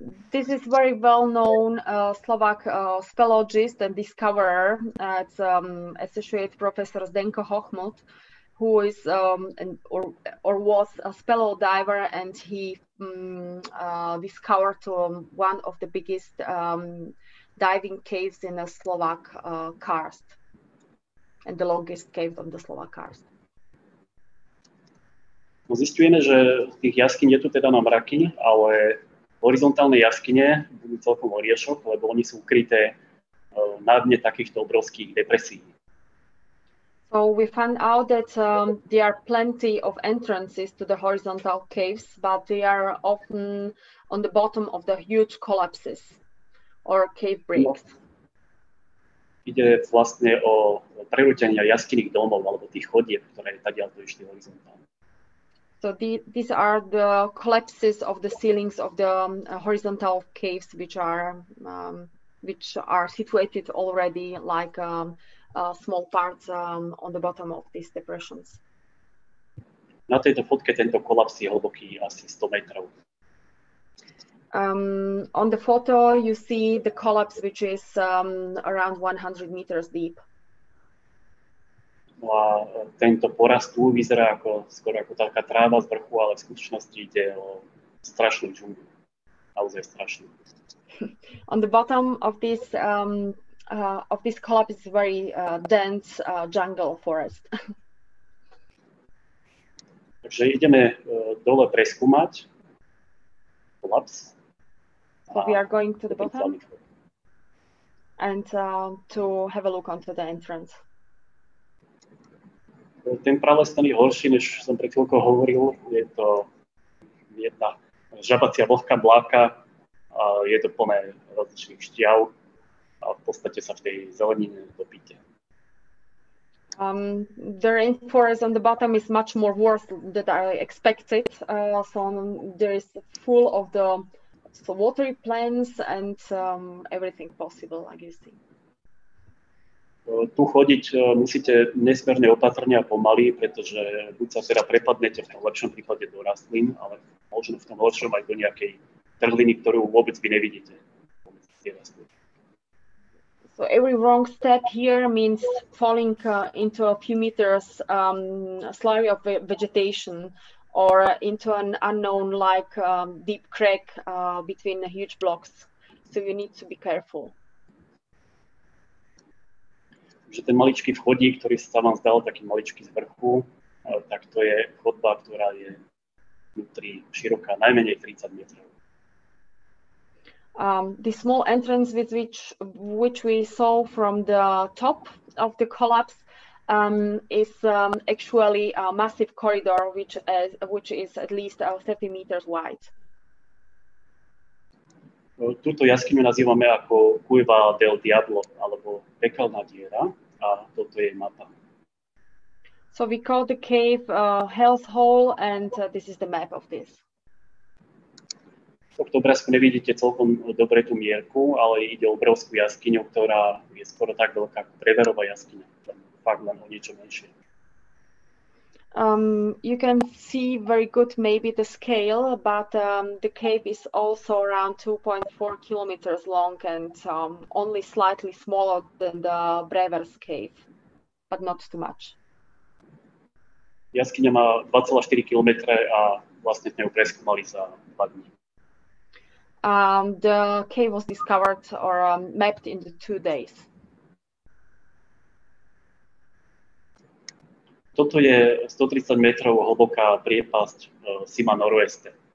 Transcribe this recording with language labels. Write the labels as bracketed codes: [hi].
[en] This is very well known Slovak speleologist and discoverer, it's associate professor Zdenko Hochmut, who is or was a spelo diver, and he discovered one of the biggest diving caves in the Slovak karst and the longest cave of the Slovak karst. [sk] No, zistujeme, že tých jaskyň je tu teda na mraky, ale horizontálne jaskyne budú celkom oriešok, lebo oni sú ukryté na dne takýchto obrovských depresí. [en] So we found out that there are plenty of entrances to the horizontal caves, but they are often on the bottom of the huge collapses or cave breaks. [sk] ide vlastne o prerútenia jaskinných domov alebo tých chodieb, ktoré tadiaľto išli horizontálne. [en] So these are the collapses of the ceilings of the horizontal caves which are situated already like small parts on the bottom of these depressions. [sk] Na tejto fotke tento kolaps je hlboký asi 100 metrov. [en] On the photo you see the collapse which is around 100 meters deep. [sk] A tento porast tu vyzerá ako skoro ako taká tráva z vrchu, ale v skutočnosti ide o strašnú džunglu. Naozaj strašnú. [en] On the bottom of this collapse is very dense jungle forest. [sk] Takže ideme dole preskúmať collapse. [en] So we are going to the bottom and to have a look onto the entrance. [sk] Ten prales ten je horší, než som pred chvíľkou hovoril. Je to jedna žabacia vlhká bláka. Je to plné rozličných šťav. A v podstate sa v tej zelenine topíte. [en] The rainforest on the bottom is much more worse than I expected. So there is full of the so watery plants and everything possible, I guess. [sk] Tu chodiť musíte nesmierne opatrne a pomaly, pretože buď sa teda prepadnete v tom lepšom prípade do rastlín, ale možno v tom horšom aj do nejakej trhliny, ktorú vôbec vy nevidíte. [en] So every wrong step here means falling into a few meters slurry of vegetation or into an unknown like deep crack between the huge blocks. So you need to be careful. [sk] Že ten maličký vchodík, ktorý sa vám zdal taký maličký z vrchu, tak to je chodba, ktorá je vnútri široká najmenej 30 metrov. [en] The small entrance with which we saw from the top of the collapse is actually a massive corridor which is at least 30 meters wide. [sk] Túto jaskyňu nazývame ako Cueva del Diablo alebo pekelná diera. A toto je mapa. [en] So we call the cave Hell's Hole and this is the map of this. [sk] V tomto obrázku nevidíte celkom dobre tú mierku, ale ide o obrovskú jaskyňu, ktorá je skoro tak veľká ako Preverova jaskyňa. Fakt len o niečo menšie. [en] You can see very good maybe the scale, but the cave is also around 2.4 kilometers long and only slightly smaller than the Brewer's cave, but not too much. [sk] Jaskyňa má 2,4 kilometre a vlastne sme ju preskúmali za 2 dní. [en] The cave was discovered or mapped in 2 days. [sk] Toto je 130 metrov hlboká priepasť Sima Noroeste.